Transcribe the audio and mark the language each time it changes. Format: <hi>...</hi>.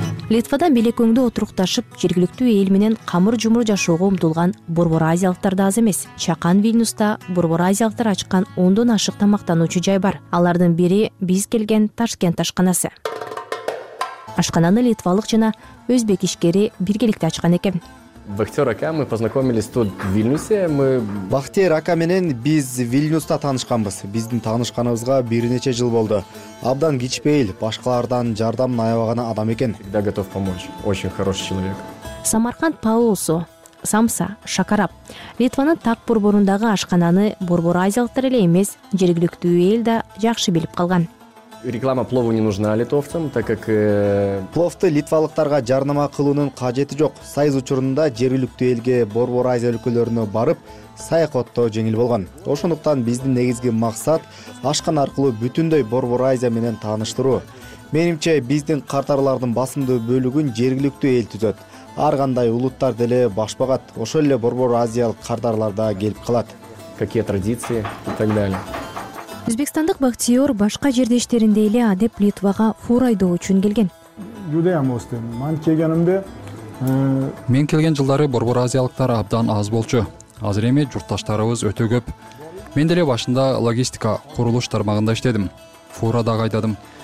<ky>Литвадан Билек өңдө отурукташып, жергиликтүү эл менен камыр жумур жашоого умтулган борбор азиялыктар да аз эмес. Чакан Вильнюста борбор азиялыктар ачкан 10 ашык тамактануучу жай бар. Алардын бири биз келген Ташкент ашканасы. Ашкананы литвалык жана өзбек ишкери биргеликте ачкан экен.</ky> <ru>Бахтер ака, мы познакомились тут в Вильнюсе.</ru> <ky>Бахтер ака менен биз Вильнюста таанышканбыз. Биздин таанышканыбызга бир нече жыл болду. Абдан кичпейил, башкалардан жардам аябаган адам экен.</ky> <ru>Всегда готов помочь. Очень хороший человек. Самарканд паосу, самса, шакарап.</ru> <ky>Литванын так борборундагы ашкананы борбор азиялыктар эле эмес, жергиликтүү эл да жакшы билип калган.</ky> <ru>Реклама плову не нужна литовцам, так как</ru> <ky>пловту литвалыктарга жарнама кылуунун кажети жок. Союз учурунда жергиликтүү элге борбор Азия өлкөлөрүнө барып, саякаттоо жеңил болгон. Ошондуктан биздин негизги максат ашкан аркылуу бүтүндөй борбор Азия менен тааныштыруу. Менимче, биздин картарлардын басымдуу бөлүгүн жергиликтүү эл түзөт. Ар кандай улуттар деле баш багат. Ошол эле борбор азиялык картарлар да келип калат.</ky> <ru>Какие традиции и так далее.</ru> <ky>Өзбекстандык бактиёр башка жердештеринде эле адеп Литвага фур айдоо үчүн келген. Мен келген жылдары борбор азиялыктар абдан аз болчу. Азыр эми журташтарыбыз өтө көп. Мен деле башында логистика курулуш тармагында иштедим. Фурада кайдадым.</ky>